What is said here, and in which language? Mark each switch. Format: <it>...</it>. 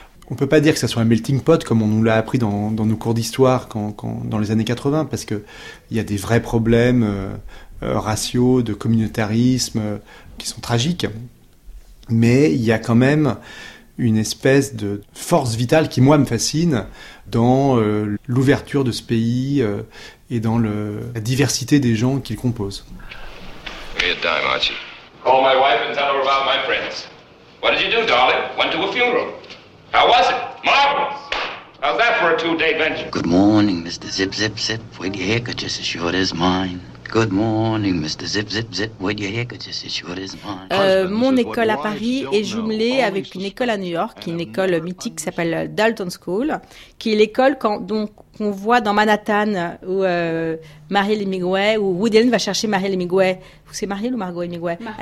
<fr>On ne peut pas dire que ça soit un melting pot, comme on nous l'a appris dans nos cours d'histoire dans les années 80, parce qu'il y a des vrais problèmes raciaux, de communautarisme, qui sont tragiques. Mais il y a quand même une espèce de force vitale qui, moi, me fascine dans l'ouverture de ce pays et dans la diversité des gens qu'il compose.</fr> <en>Give me a dime, Archie. Call my wife and tell her about my friends. What did you do, darling? Went to a funeral. How was it? Marvelous! How's that for a two-day venture? Good morning, Mr. Zip-Zip-Zip. With your haircut just as short as mine. Good morning, Mr. Zip Zip Zip. What do you hear? Could you see what is mine?</en> <fr>Mon école à Paris est jumelée avec une école à New York, qui est une école mythique qui s'appelle Dalton School, qui est l'école qu'on voit dans Manhattan où Marielle Hemingway, où Woody Allen va chercher Marielle Hemingway. C'est Marielle ou Margot Hemingway?</fr>